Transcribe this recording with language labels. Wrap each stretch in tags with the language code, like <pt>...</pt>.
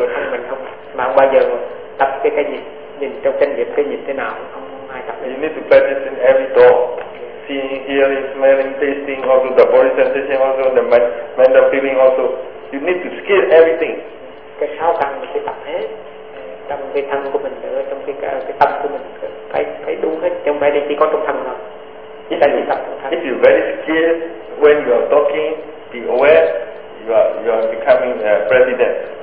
<vi>Mình không bao giờ tập cái nhìn trong chánh niệm cái nhìn thế nào, không ai tập.</vi> <en>You need to practice in every door. Seeing, hearing, smelling, tasting, also the body sensation, also the mental feeling, also you need to skill everything.</en> <vi>Cái sáu căn mình phải tập hết, trong cái thân của mình nữa, trong cái tâm của mình phải đủ hết. Trong đây chỉ có trong thân thôi. Chỉ là chỉ tập trong thân.</vi> <en>If you very skilled when you are talking, be aware, you are becoming a president.</en>